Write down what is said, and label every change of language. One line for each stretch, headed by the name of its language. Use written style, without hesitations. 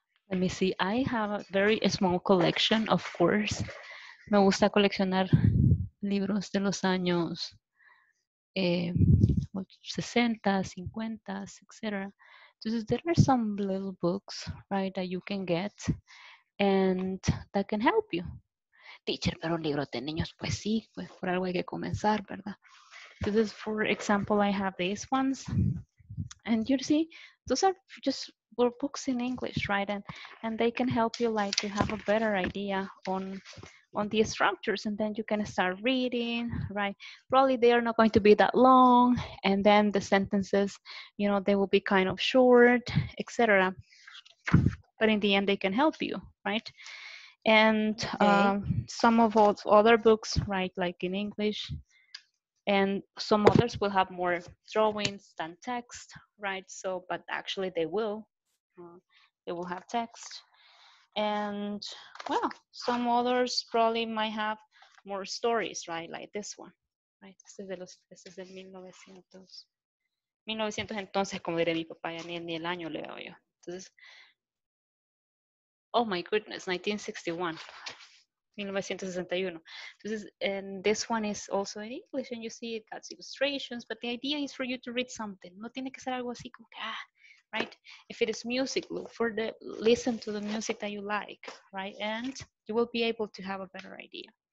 English: Let me see. I have a very small collection, of course.
Spanish: Me gusta coleccionar libros de los años 60, 50, etc. Entonces,
English: there are some little books, right, that you can get and that can help you. teacher,
Spanish: pero libros de niños, pues sí, pues por algo hay que comenzar, ¿verdad?
English: This is, for example, I have these ones. And you see, those are just were books in English, right? And they can help you, like, to have a better idea on the structures, and then you can start reading, right? Probably they are not going to be that long, and then the sentences, you know, they will be kind of short, etc. But in the end, they can help you, right? And okay. Some of those other books, right, like in English, and some others will have more drawings than text, right? So, but actually they will. It will have text. And, well, some others probably might have more stories, right? Like this one, right? This is the 1900.
Spanish: Entonces, como diré mi papá, ya ni el año le veo yo. Entonces,
English: oh my goodness, 1961.
Spanish: Entonces,
English: and this one is also in English, and you see it has illustrations, but the idea is for you to read something.
Spanish: No tiene que ser algo así como que, ah,
English: right? If it is music, look for the, listen to the music that you like, right? And you will be able to have a better idea.